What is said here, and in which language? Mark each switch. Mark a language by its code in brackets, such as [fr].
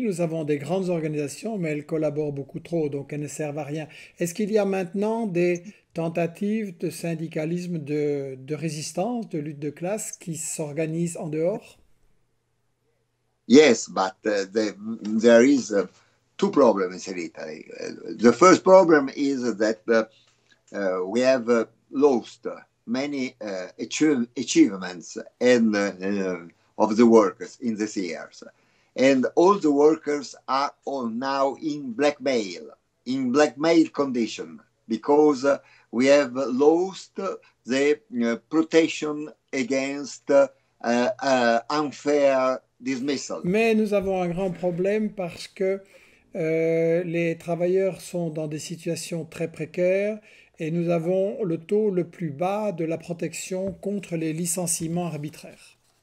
[fr] Nous avons des grandes organisations, mais elles collaborent beaucoup trop, donc elles ne servent à rien. Est-ce qu'il y a maintenant des tentatives de syndicalisme, de résistance, de lutte de classe qui s'organisent en dehors? [en] Yes, but there is two problems in Italy. The first problem is that we have lost many achievements and of the workers in these years, and all the workers are all now in blackmail condition, because we have lost the protection against unfair dismissal. [fr] Mais nous avons un grand problème parce que les travailleurs sont dans des situations très précaires. Et nous avons le taux le plus bas de la protection contre les licenciements arbitraires.